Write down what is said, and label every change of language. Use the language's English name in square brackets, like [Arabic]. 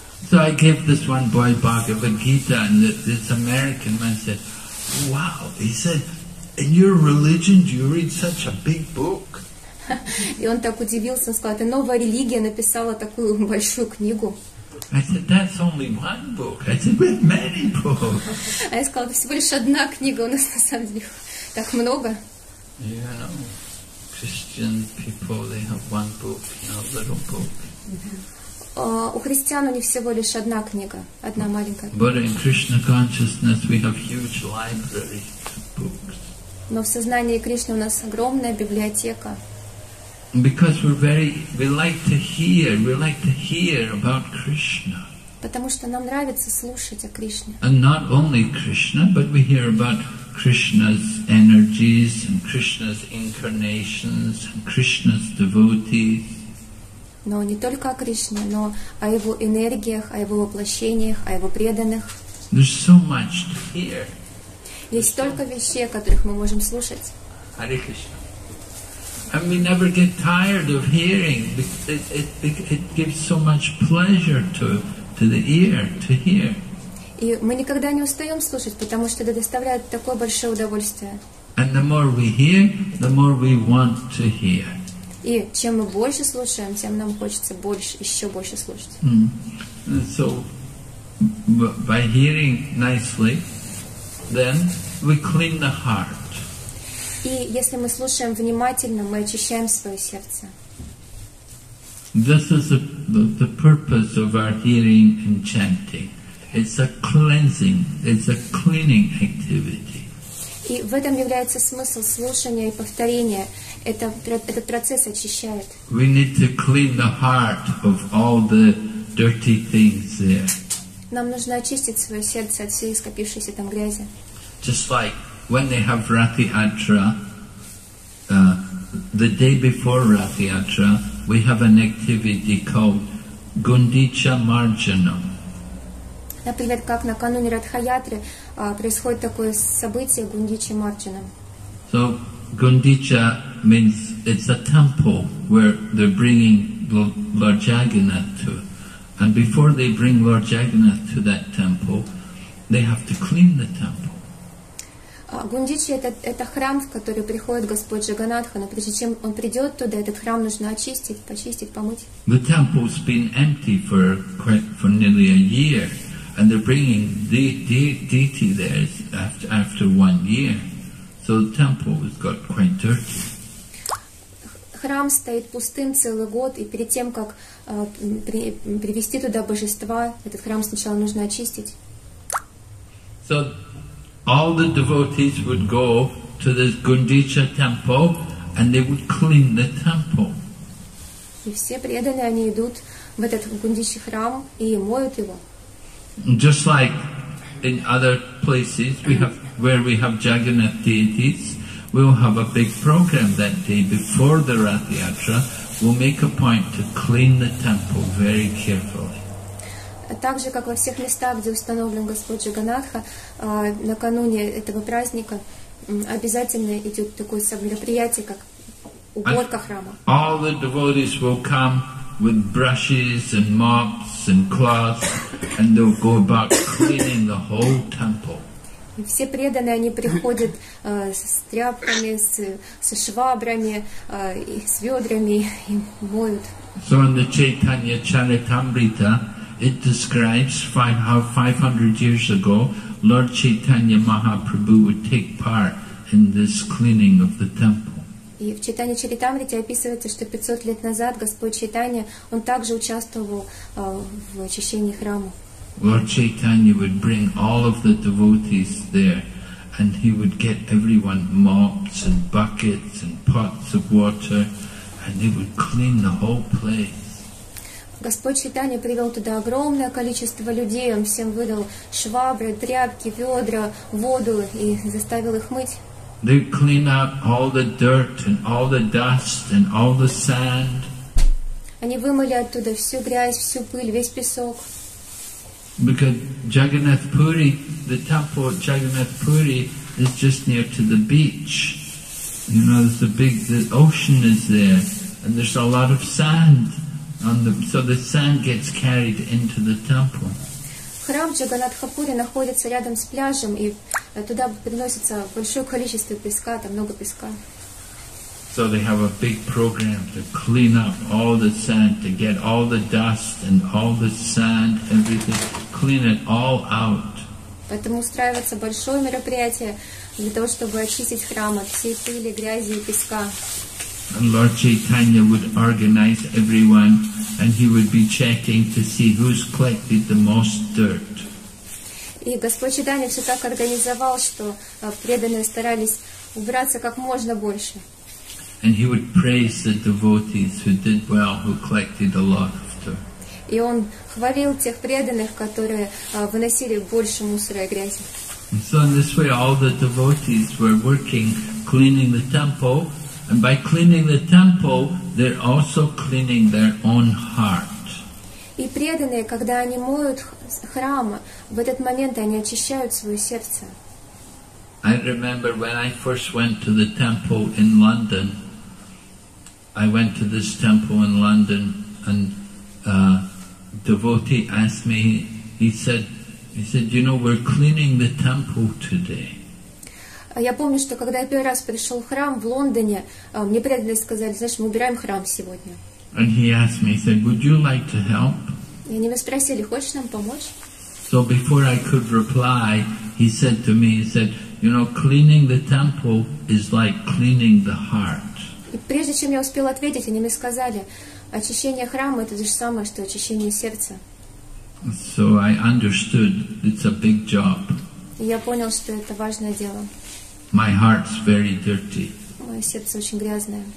[English] So I gave this one boy Bhagavad Gita, and this American man said, wow, he said, in your religion do you read such a big book? [Russian] И он так удивился, он сказал, это новая религия написала такую большую книгу. [English] I said, that's only one book. I said, we have many books. [Russian] А я сказала, это всего лишь одна книга, у нас на самом деле так много. [English] You know, Christian people, they have one book, a little book. [Russian] У христиан у них всего лишь одна книга, одна маленькая книга. [English] But in Krishna consciousness, we have huge library of books. [Russian] Но в сознании Кришны у нас огромная библиотека. [English] Because we like to hear about Krishna. [Russian] Потому что нам нравится слушать о Кришне. [English] And not only Krishna, but we hear about Krishna's energies and Krishna's incarnations and Krishna's devotees. [Russian] Но не только о Кришне, но о его энергиях, о его воплощениях, о его преданных. [English] There's so much to hear. [Russian] Есть столько вещей, о которых мы можем слушать. [English] Hare Krishna. And we never get tired of hearing. It gives so much pleasure to the ear to hear. [Russian] И мы никогда не устаем слушать, потому что это доставляет такое большое удовольствие. [English] And the more we hear, the more we want to hear. [Russian] И чем мы больше слушаем, тем нам хочется больше, еще больше слушать. [English] Mm. So by hearing nicely, then we clean the heart. [Russian] И если мы слушаем внимательно, мы очищаем свое сердце. [English] This is the purpose of our hearing and chanting. It's a cleansing, it's a cleaning activity. [Russian] И в этом является смысл слушания и повторения. Этот процесс очищает. [English] We need to clean the heart of all the dirty things there. [Russian] Нам нужно очистить свое сердце от всей скопившейся там грязи. [English] Just like when they have Rathi Atra, the day before Rathi Atra, we have an activity called Gundicha Marjanam. [Russian] Например, как накануне Радхаятры происходит такое событие Гундича Марджанам. [English] So Gundicha means it's a temple where they're bringing Lord Jagannath to. And before they bring Lord Jagannath to that temple, they have to clean the temple. [Russian] Гундичи это храм, в который приходит Господь Джаганнатха, но прежде чем он придет туда, этот храм нужно очистить, почистить, помыть. [English] The temple's been empty for nearly a year, and they're bringing deity there after 1 year, so the temple has got quite dirty. [Russian] Храм стоит пустым целый год, и перед тем как привести туда божества, этот храм сначала нужно очистить. [English] So all the devotees would go to this Gundicha temple and they would clean the temple. [Russian] И все преданные они идут в этот Гундичи храм и моют его. [English] Just like in other places where we have Jagannath deities, we'll have a big program that day before the Rathi Atra. We'll make a point to clean the temple very carefully. [Russian] Так же, как во всех местах, где установлен Господь Джаганнатха, накануне этого праздника обязательно идет такое мероприятие, как уборка храма. [English] All the devotees will come with brushes and mops and cloths, and they'll go about cleaning the whole temple. [Russian] Все преданные, они приходят с тряпками, со швабрами, и с ведрами, и моют. [English] So in the Chaitanya Charitamrita, it describes how 500 years ago Lord Chaitanya Mahaprabhu would take part in this cleaning of the temple. [Russian] И в Чайтанья Чаритамрите описывается, что 500 лет назад Господь Чайтанья, он также участвовал в очищении храма. [English] Lord Chaitanya would bring all of the devotees there, and he would get everyone mops and buckets and pots of water, and they would clean the whole place. [Russian] Господь Чайтанья привел туда огромное количество людей, он всем выдал швабры, тряпки, ведра, воду и заставил их мыть. [English] They clean up all the dirt and all the dust and all the sand. [Russian] Они вымыли оттуда всю грязь, всю пыль, весь песок. [English] Because Jagannath Puri, the temple of Jagannath Puri is just near to the beach. You know, there's the ocean is there and there's a lot of sand. So the sand gets carried into the temple. [Russian] Храм Джаганнатхапури находится рядом с пляжем, и туда приносится большое количество песка, там много песка. [English] So they have a big program to clean up all the sand, to get all the dust and all the sand, everything, clean it all out. [Russian] Поэтому устраивается большое мероприятие для того, чтобы очистить храм от всей пыли, грязи и песка. [English] And Lord Chaitanya would organize everyone, and he would be checking to see who's collected the most dirt. [Russian] И Господь Чайтанья все так организовал, что преданные старались убраться как можно больше. [English] And he would praise the devotees who did well, who collected a lot of dirt. [Russian] И он хвалил тех преданных, которые выносили больше мусора и грязи. [English] So in this way, all the devotees were working, cleaning the temple, and by cleaning the temple, they're also cleaning their own heart. [Russian] И преданные, когда они моют храмы, в этот момент они очищают свое сердце. [English] I remember when I first went to the temple in London. I went to this temple in London, and a devotee asked me. He said, "You know, we're cleaning the temple today." [Russian] Я помню, что когда я первый раз пришел в храм в Лондоне, мне преданные сказали, знаешь, мы убираем храм сегодня. [English] And he asked me. He said, "Would you like to help?" [Russian] И они меня спросили, хочешь нам помочь? [English] So before I could reply, he said to me. He said, "You know, cleaning the temple is like cleaning the heart." [Russian] И прежде чем я успел ответить, они мне сказали, очищение храма это то же самое, что очищение сердца. [English] So I understood it's a big job. [Russian] И я понял, что это важное дело. [English] My heart's very dirty. [Russian] Мое сердце очень грязное.